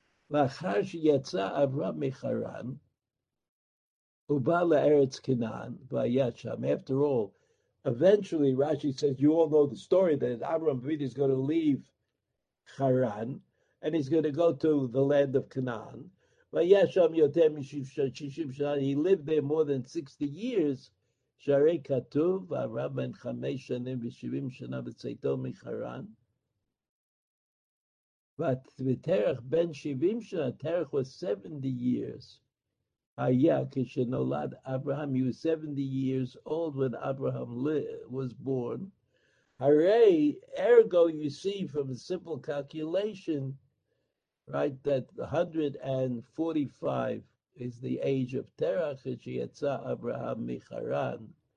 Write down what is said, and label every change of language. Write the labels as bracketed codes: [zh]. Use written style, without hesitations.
[he] לאחר שיצא אברהם מחרן, הוא בא לארץ כנען, והיה שם. [en] After all, eventually Rashi says, you all know the story that Abraham Avinu is going to leave Haran, and he's going to go to the land of Canaan. [he] והיה שם יותר מ-60 שנה. [en] He lived there more than 60 years. [he] שהרי כתוב, אברהם בן 5 שנים ו-70 שנה בצאתו מחרן. ותרח בן 70 שנה, תרח [en] was 70 years. [he] היה כשנולד אברהם, [en] he was 70 years old when Abraham was born. הרי, ergo, you see from a simple calculation, right, that 145 is the age of Terach, [he] שיצא אברהם מחרן.